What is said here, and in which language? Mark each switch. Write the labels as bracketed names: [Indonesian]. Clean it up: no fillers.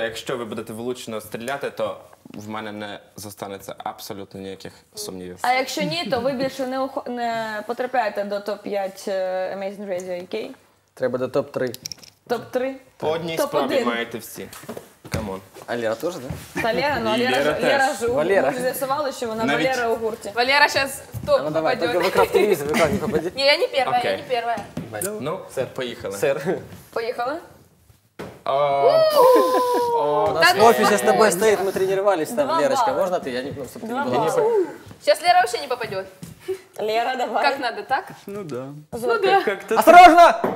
[Ukrainian] Якщо ви будете влучно стріляти, то в мене не залишиться абсолютно ніяких сумнівів. А якщо ні, то ви більше не потрапляєте до топ-5 Amazing Radio UK? Треба до топ-3. Топ-3? По одній справі маєте всі. Камон. А Лера теж, так? Та Лера, ну Лера ж у гурті з'ясувала, що вона Валера у гурті. [Russian] Валера зараз топ попадет. [Ukrainian] Ну давай, [Russian] только [Ukrainian] в телевізор, в екран не попадет. Ні, я не перша, я не перша. Ну, сэр, поїхали. Сэр. Поїхали? У нас офіс з тобою стоїть, ми тренувалися там, Лерочка. Можна ти? Я не просто ти не була. Зараз Лера взагалі не попадет. Лера, давай. [Russian] Как надо, так? Ну да. Ну да. Осторожно!